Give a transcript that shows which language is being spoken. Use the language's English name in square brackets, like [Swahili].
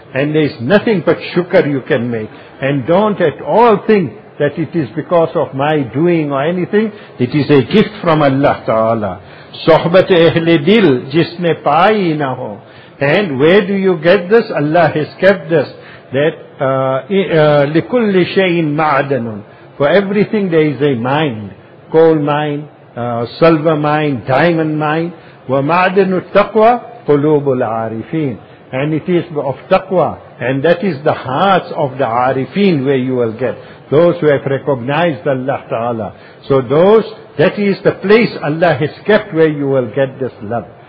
[English] And there is nothing but shukr you can make. And don't at all think that it is because of my doing or anything. It is a gift from Allah Ta'ala. [Urdu] Sohbat ehle dil jisne paayi na ho. [English] And where do you get this? Allah has kept this. [Arabic] That لِكُلِّ شَيْءٍ مَعْدَنٌ. [English] For everything there is a mine. Coal mine, silver mine, diamond mine. [Arabic] وَمَعْدَنُ التَّقْوَى قُلُوبُ الْعَارِفِينَ. [English] And it is of taqwa. And that is the hearts of the arifin where you will get. Those who have recognized Allah Ta'ala. So those, that is the place Allah has kept where you will get this love.